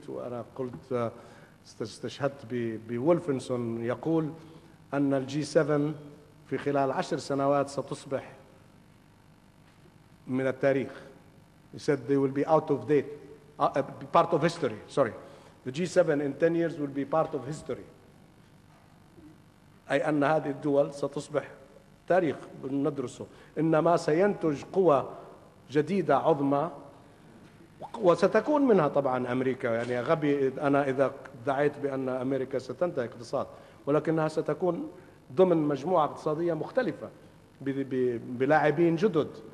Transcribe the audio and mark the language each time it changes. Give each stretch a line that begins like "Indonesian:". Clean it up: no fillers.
Arabic: وأنا قلت استشهدت بولفنسون يقول أن الجي 7 في خلال 10 سنوات ستصبح من التاريخ.
English: He said they will be out of date, part of history. Sorry, the G7 in 10 years will be part of history.
Arabic: أي أن هذه الدول ستصبح تاريخ ندرسه. إنما سينتج قوة جديدة عظمى، وستكون منها طبعا أمريكا. يعني غبي أنا إذا دعيت بأن أمريكا ستنتهي اقتصاد، ولكنها ستكون ضمن مجموعة اقتصادية مختلفة بلاعبين جدد.